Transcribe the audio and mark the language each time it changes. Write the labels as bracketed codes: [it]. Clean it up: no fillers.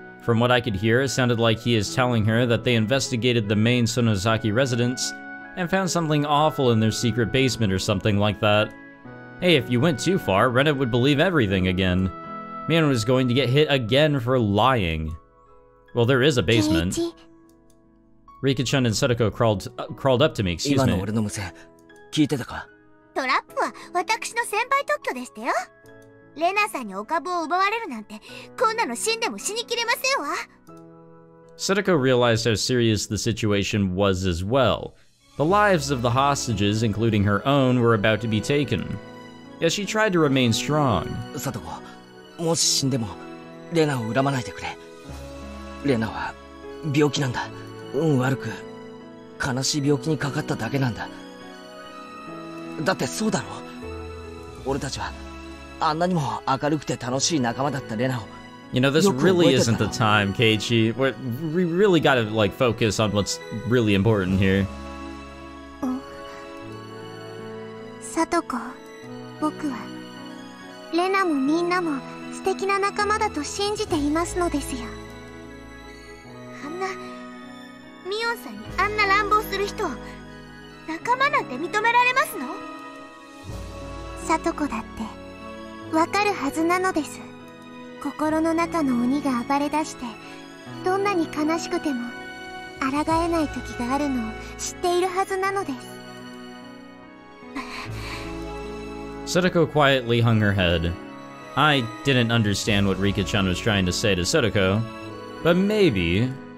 [en] From what I could hear, it sounded like he is telling her that they investigated the main Sonozaki residence and found something awful in their secret basement or something like that. Hey, if you went too far, Rena would believe everything again. Man was going to get hit again for lying. Well, there is a basement. Rika-chan and Setsuko crawled up to me, excuse me. [ja] 今の俺の無線、聞いてたか？トラップは私の先輩特許でしたよ。レナさんにお株を奪われるなんて、こんなの死んでも死にきれませんわ。 [en] Setsuko realized how serious the situation was as well. The lives of the hostages, including her own, were about to be taken. Yet she tried to remain strong. Setsuko... [ja] もし死んでもレナを恨まないでくれ。レナは病気なんだ。運悪く悲しい病気にかかっただけなんだ。だってそうだろ。俺たちはあんなにも明るくて楽しい仲間だったレナを。 [en] You know, this really isn't the time, Keiichi. We really gotta like focus on what's really important here. [ja] Satoko, 僕はレナもみんなも素敵な仲間だと信じていますのですよ。あんなミオンさんにあんな乱暴する人を仲間なんて認められますの？サトコだってわかるはずなのです。心の中の鬼が暴れ出してどんなに悲しくても抗えない時があるのを知っているはずなのです。 [en] Setsuko quietly hung her head. I didn't understand what Rika-chan was trying to say to Setsuko, but maybe...